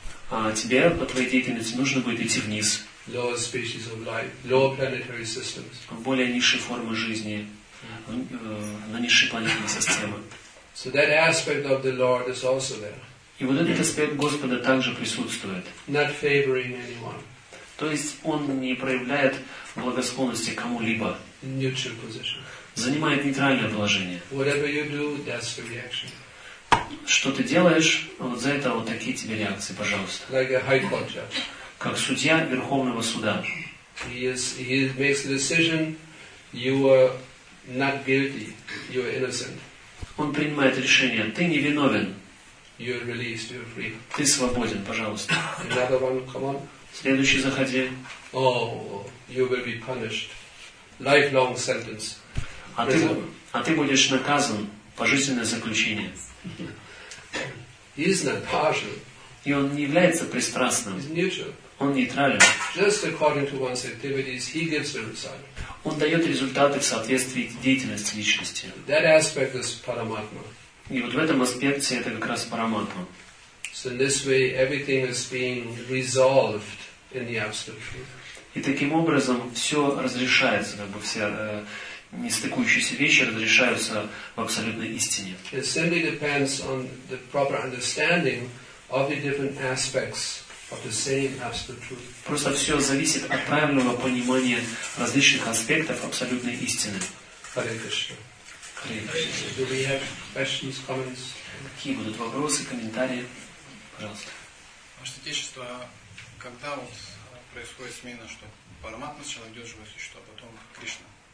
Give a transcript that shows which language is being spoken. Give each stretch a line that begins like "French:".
Russian: А тебе, по твоей деятельности, нужно будет идти вниз. В более низшие формы жизни, на низшие планетные системы.
English: So that aspect of the Lord is also there.
Russian: И вот этот аспект Господа также присутствует.
English: Not favoring anyone.
Russian: То есть Он не проявляет благосклонности кому-либо.
English: Neutral position.
Russian: Занимает нейтральное положение.
English: Whatever you do, that's the reaction.
Russian: Что ты делаешь, вот за это вот такие тебе реакции, пожалуйста.
English: Like a high court judge.
Russian: Как судья Верховного Суда.
English: He makes the decision, you are not guilty, you are innocent.
Russian: Он принимает решение, ты не виновен.
English: You are released, you are free.
Russian: Ты свободен, пожалуйста.
English: Another one, come on.
Russian: Следующий заходи.
English: Oh, you will be punished. Lifelong sentence.
Russian: А ты будешь наказан пожизненное заключение.
English: He is not partial.
Russian: И он не является пристрастным. Он нейтрален.
English: Just according to one's activities, he gives the result.
Russian: Он дает результаты в соответствии с деятельностью личности.
English: That aspect is Paramatma.
Russian: И вот в этом аспекте это как раз Параматма.
English: So in this way, everything is being resolved in the absolute truth.
Russian: И таким образом все разрешается, как бы все нестыкующиеся вещи разрешаются в абсолютной истине.
English: It simply depends on the proper understanding of the different aspects of the same absolute truth.
Russian: Просто все зависит от правильного понимания различных аспектов абсолютной истины.
English: Hare Krishna. Hare Krishna. Do we have questions, comments?
Russian: Какие будут вопросы, комментарии? Пожалуйста. Ваше Отечество, когда вот происходит смена, что Параматма сначала идет живое существо, а потом Кришна?